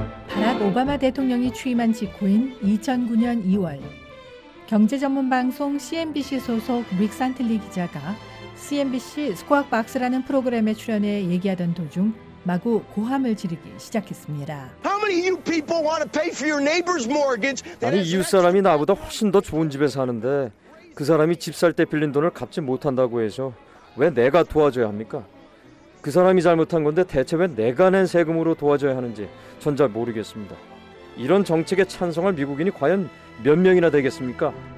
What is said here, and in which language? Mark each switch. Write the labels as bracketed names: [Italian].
[Korean] 바락 오바마 대통령이 취임한 직후인 2009년 2월, 경제전문방송 CNBC 소속 릭 산틀리 기자가 CNBC 스쿼박스라는 프로그램에 출연해 얘기하던 도중 마구 고함을 지르기 시작했습니다. [English] How many of you people want to pay for your neighbor's mortgage? [Korean] 아니, 이웃사람이 나보다 훨씬 더 좋은 집에 사는데 그 사람이 집 살 때 빌린 돈을 갚지 못한다고 해서 왜 내가 도와줘야 합니까? 그 사람이 잘못한 건데 대체 왜 내가 낸 세금으로 도와줘야 하는지 전 잘 모르겠습니다. 이런 정책에 찬성할 미국인이 과연 몇 명이나 되겠습니까?